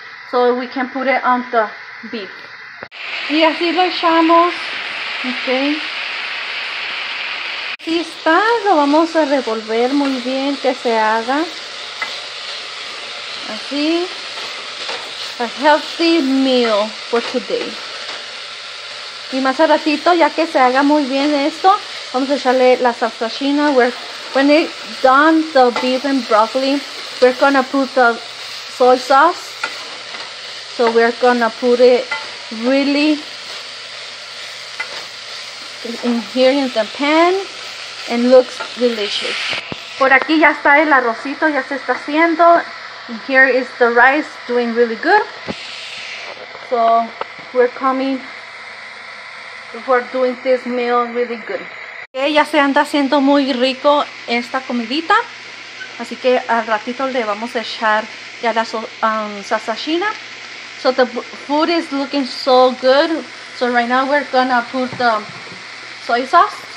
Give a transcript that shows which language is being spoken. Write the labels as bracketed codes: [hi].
[en] So we can put it on the beef. [es] Y así lo echamos. Okay. Aquí está, lo vamos a revolver muy bien, que se haga así. [en] A healthy meal for today. [es] Y más a ratito, ya que se haga muy bien esto, vamos a echarle la salsa china. [en] When it done the beef and broccoli, we're gonna put the soy sauce. So we're gonna put it really in here in the pan and looks delicious. [es] Por aquí ya está el arrocito, ya se está haciendo. [en] And here is the rice doing really good. So we're coming for doing this meal really good. [es] Ya se anda haciendo muy rico esta comidita, así que al ratito le vamos a echar ya la salsa china. [en] So the food is looking so good. So right now we're gonna put the soy sauce.